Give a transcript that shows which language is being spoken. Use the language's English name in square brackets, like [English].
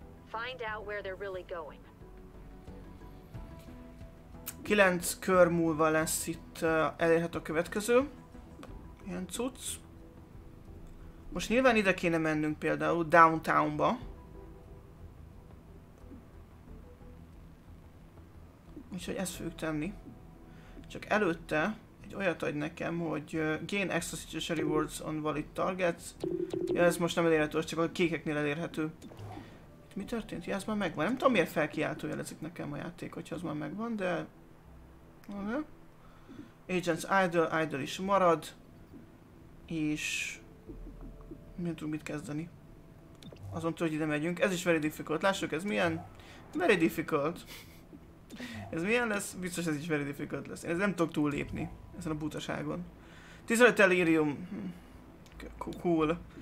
[English] Find out where they're really going. [Hungarian] 9 kör múlva lesz itt elérhető a következő. Ilyen cucc. Most nyilván ide kéne mennünk például downtownba. Úgyhogy ezt fogjuk tenni. Csak előtte egy olyat adj nekem, hogy [English] gain extra situation rewards on valid targets. [Hungarian] Ja, ez most nem elérhető, csak a kékeknél elérhető. Itt mi történt? Ja, ez már megvan. Nem tudom, miért felkiáltójelezik nekem a játék, hogyha az már megvan, de... Agents idle, idle is marad. És... Miért tudunk mit kezdeni? Azon túl, hogy ide megyünk. Ez is [English] very difficult. [Hungarian] Lássuk, ez milyen? Very difficult. Ez milyen lesz? Biztos ez is [English] very difficult [Hungarian] lesz. Én ezt nem tudok túllépni ezen a butaságon. 15 delirium. [English] Cool.